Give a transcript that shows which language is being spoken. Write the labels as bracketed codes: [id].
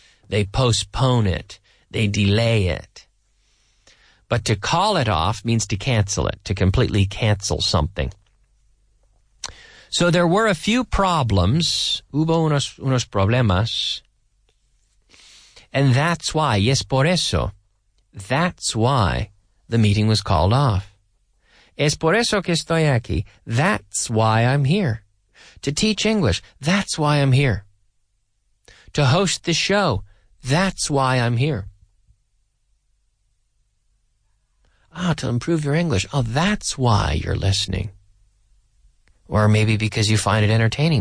[en] They postpone it. They delay it. But to call it off means to cancel it, to completely cancel something. So there were a few problems, [es] hubo unos problemas, [en] and that's why, yes, [es] por eso, [en] that's why the meeting was called off. [es] Es por eso que estoy aquí, [en] that's why I'm here. To teach English, that's why I'm here. To host the show, that's why I'm here. Ah, to improve your English, oh, that's why you're listening. Or maybe because you find it entertaining.